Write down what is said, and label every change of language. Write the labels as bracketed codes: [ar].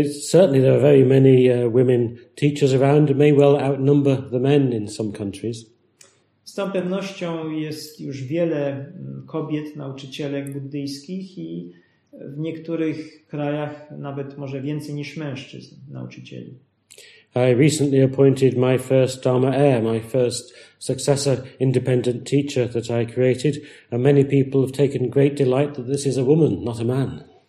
[en] Certainly there are very many women teachers around, may well outnumber the men in some countries. [pl] Z całą pewnością jest już wiele kobiet, nauczycielek buddyjskich i w niektórych krajach nawet może więcej niż mężczyzn, nauczycieli. [en] I recently appointed my first Dharma heir, my first successor independent teacher that I created, and many people have taken great delight that this is a woman, not a man.